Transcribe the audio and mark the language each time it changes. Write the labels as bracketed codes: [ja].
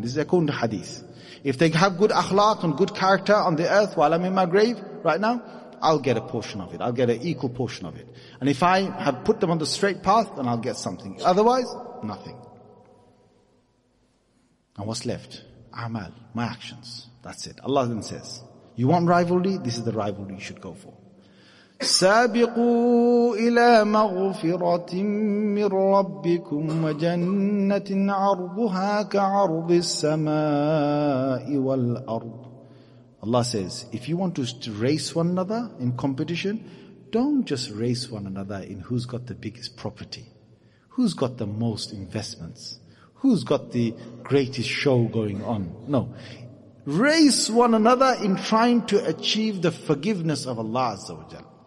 [en] This is according to hadith. If they have good akhlaq and good character on the earth while I'm in my grave right now, I'll get a portion of it. I'll get an equal portion of it. And if I have put them on the straight path, then I'll get something. Otherwise, nothing. And what's left? Amal, my actions. That's it. Allah then says, you want rivalry? This is the rivalry you should go for. [ar] سابقوا إلى مغفرة من ربكم وجنة عرضها كعرض السماء والأرض. [en] Allah says, if you want to race one another in competition, don't just race one another in who's got the biggest property, who's got the most investments, who's got the greatest show going on. No. race one another in trying to achieve the forgiveness of Allah Azza wa Jal.